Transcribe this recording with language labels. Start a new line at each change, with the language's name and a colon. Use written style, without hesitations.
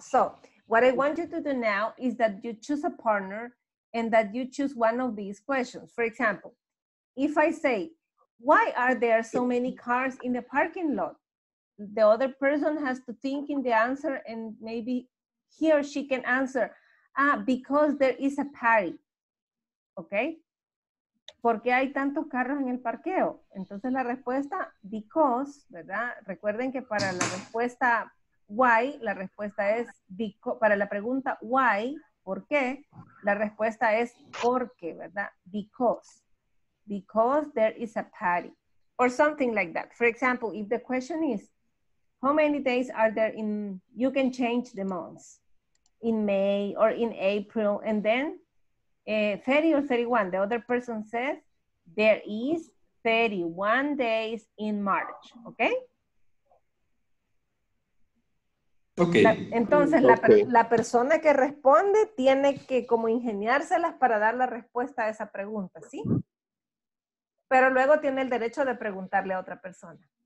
English: So what I want you to do now is that you choose a partner and that you choose one of these questions. For example, if I say, why are there so many cars in the parking lot? The other person has to think in the answer and maybe he or she can answer, because there is a party. Okay?
Spanish: ¿Por qué hay tantos carros en el parqueo? Entonces la respuesta, because, ¿verdad? Recuerden que para la respuesta why, la respuesta es, because, para la pregunta why, ¿por qué? La respuesta es porque, ¿verdad? Because.
English: Because there is a party. Or something like that. For example, if the question is, how many days are there in, you can change the months, in May or in April, and then 30 or 31, the other person says, there is 31 days in March, okay? Okay.
Spanish: Entonces, la persona que responde tiene que como ingeniárselas para dar la respuesta a esa pregunta, ¿sí? Pero luego tiene el derecho de preguntarle a otra persona.